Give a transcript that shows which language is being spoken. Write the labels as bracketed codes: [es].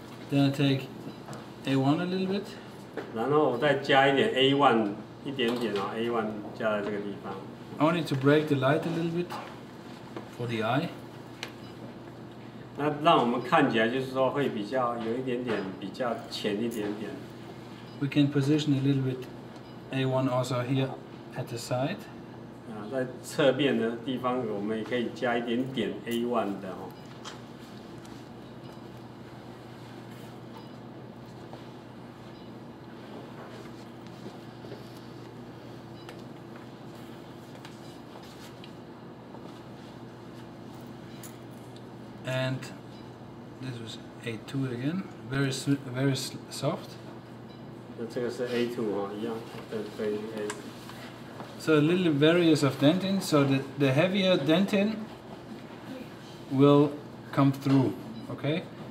[en] Gonna take A1 a little bit， [zh] 然后我再加一点 A1， 一点点哦 ，A1 加在这个地方。 [en] I need to break the light a little bit for the eye。 [zh] 那让我们看起来就是说会比较有一点点比较浅一点点。 [en] We can position a little bit A1 also here at the side。 [zh] 啊，在侧边的地方我们也可以加一点点 A1 的哦。 [en] And this was A2 again, very very soft. [zh] 那这个是 A2 啊，一样的非 A。 [en] So a little various of dentin, so the heavier dentin will come through, okay?